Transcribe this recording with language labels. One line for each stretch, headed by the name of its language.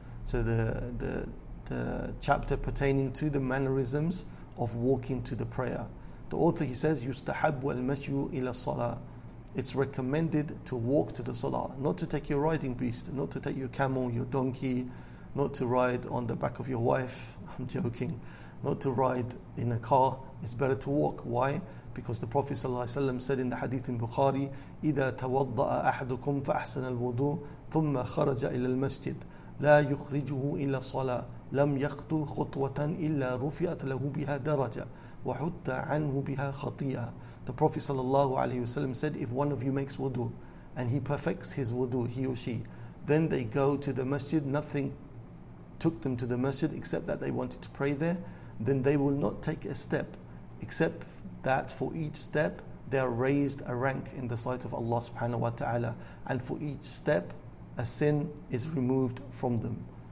English: So the chapter pertaining to the mannerisms of walking to the prayer. The author, he says,
Arabic: يُسْتَحَبُّ الْمَشْيُ إِلَى الصَّلَاةِ.
English: It's recommended to walk to the salah, not to take your riding beast, not to take your camel, your donkey, not to ride on the back of your wife, I'm joking, not to ride in a car. It's better to walk. Why? Because the Prophet ﷺ said in the hadith in Bukhari,
Arabic: إِذَا تَوَضَّأَ أَحَدُكُمْ فَأَحْسَنَ الْوُضُوءِ ثُمَّ خَرَجَ إِلَى الْمَسْجِدِ لا يخرجه إلا صلاة لم يخطو خطوة إلا رفعت له بها درجة وحط عنه بها خطيئة.
English: The Prophet sallallahu alaihi wasallam said, if one of you makes wudu and he perfects his wudu, he or she, then they go to the masjid. Nothing took them to the masjid except that they wanted to pray there. Then they will not take a step except that for each step they are raised a rank in the sight of Allah subhanahu wa ta'ala, and for each step a sin is removed from them.